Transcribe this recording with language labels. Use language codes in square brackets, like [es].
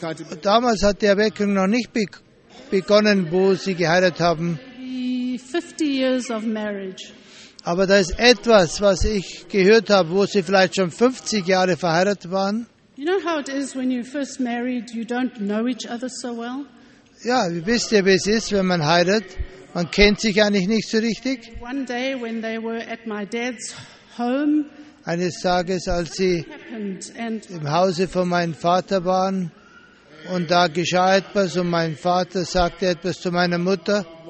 [de] Und damals hat die Erweckung noch nicht begonnen, wo sie geheiratet haben. [en] 50 years of marriage. [de] Aber da ist etwas, was ich gehört habe, wo sie vielleicht schon 50 Jahre verheiratet waren. [en] You know how it is when you're first married, you don't know each other so well. [de] Ja, ihr wisst ja, wie es ist, wenn man heiratet. Man kennt sich eigentlich nicht so richtig. [en] One day when they were at my dad's home, [de] eines Tages, als sie [en] happened, [de] im Hause von meinem Vater waren, und da geschah etwas und mein Vater sagte etwas zu meiner Mutter.